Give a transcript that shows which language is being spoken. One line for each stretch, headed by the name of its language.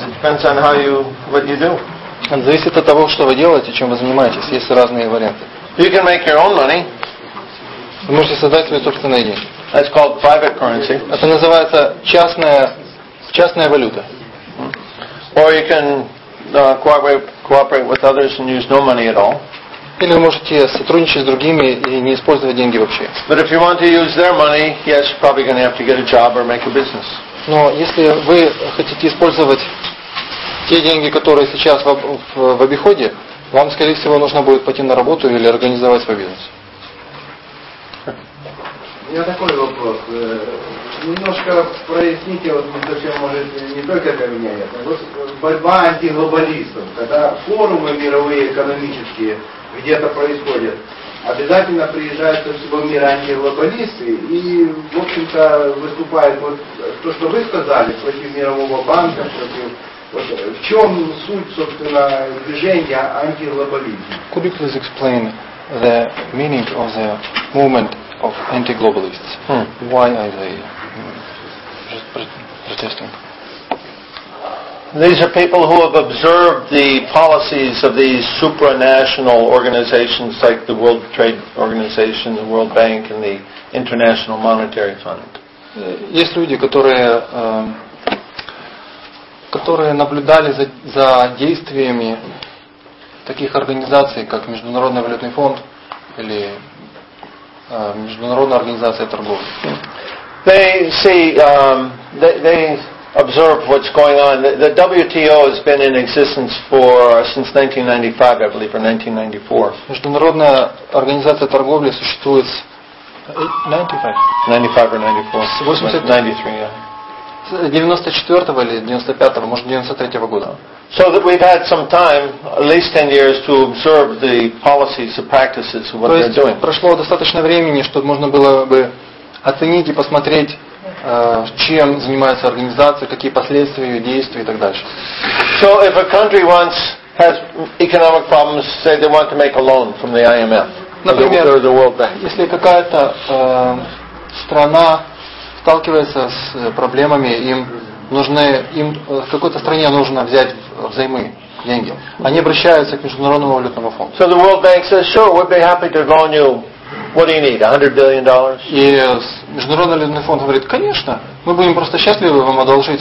English: It depends on how you what you do.
Russian: Зависит от того, что вы делаете, чем вы занимаетесь. Есть разные варианты.
English: You can make your own money.
Russian: Вы можете создать свои собственные деньги.
English: That's called private currency.
Russian: Это называется частная валюта.
English: Or you can cooperate with others and use no money at all.
Russian: Или вы можете сотрудничать с другими и не использовать деньги вообще.
English: But if you want to use their money, yes, you're probably going to have to get a job or make a business.
Russian: Но если вы хотите использовать те деньги, которые сейчас в обиходе, вам, скорее всего, нужно будет пойти на работу или организовать свой бизнес. У меня такой вопрос. Немножко проясните, вот не совсем, может, не только для меня это. Борьба антиглобалистов, когда форумы мировые экономические где-то происходят, обязательно приезжают со всего мира антиглобалисты и, в общем-то, выступают. Вот то, что вы сказали, против Мирового банка, против... Вот, в чем суть, собственно, движения антиглобализма?
English: Could you please explain the meaning of the movement of anti-globalists? Hmm. Why are they protesting? These are people who have observed the policies of these supranational organizations like the World Trade Organization, the World Bank, and the International Monetary Fund.
Russian: Есть люди, которые наблюдали за действиями таких организаций, как Международный валютный фонд или Международная организация торговли.
English: They see, they observe what's going on. The WTO has been in existence for since 1995, I believe, or 1994.
Russian: Международная организация торговли существует с 94-го или 95-го, может, 93-го года.
English: So that we've had some time, at least 10 years, to observe the policies, the practices, what they're doing.
Russian: Прошло достаточно времени, чтобы можно было бы оценить и посмотреть, чем занимается организация, какие последствия ее действий и так дальше.
English: So if a country wants has economic problems, say they want to make a loan from the IMF,
Russian: например,
English: or the World Bank.
Russian: Если какая-то страна сталкивается с проблемами, им в какой-то стране нужно взять взаймы деньги. Они обращаются к Международному валютному фонду.
English: So the World Bank says, sure, we'd be happy to loan you. What do you need? $100 billion?
Russian: И Международный валютный фонд говорит, конечно, мы будем просто счастливы вам одолжить.